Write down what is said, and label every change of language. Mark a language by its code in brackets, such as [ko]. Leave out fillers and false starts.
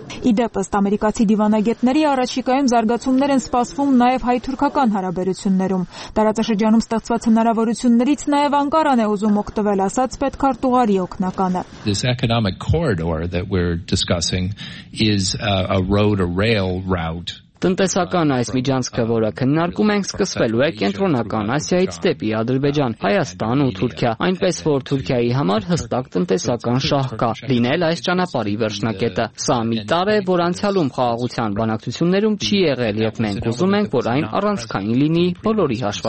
[hy] Իդեպս ամերիկացի դիվանագետների առաջիկայում զարգացումներ են սպասվում նաև հայ-թուրքական հարաբերություններում։ Տարածաշրջանում ստեղծված հնարավորություններից նաև Անկարան է ուզում օգտվել, ասաց պետքարտուղարի օգնականը։ [en] This economic corridor that we're discussing is a road, a rail route. [hy] Տնտեսական այս միջանցքը, որը քննարկում ենք, սկսվելու է կենտրոնական Ասիայից դեպի Ադրբեջան, Հայաստան ու Թուրքիա, այնպես որ Թուրքիայի համար հստակ տնտեսական շահ կա լինել այս ճանապարհի վերջնակետը։ Սա մի տարր է, որ անցյալում խաղաղության բանակցություններում չի եղել, եւ մենք ուզում ենք, որ այն առանցքային լինի բոլորի